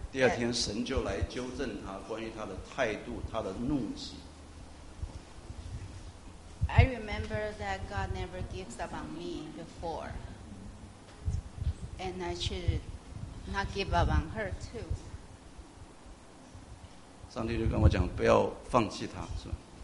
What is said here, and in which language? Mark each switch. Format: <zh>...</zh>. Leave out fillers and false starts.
<zh>第二天，神就来纠正他关于他的态度，他的怒气。</zh> <en>I remember that God never gives up on me before, and I should not give up on her too.</en> <zh>上帝就跟我讲，不要放弃他，是吧？</zh>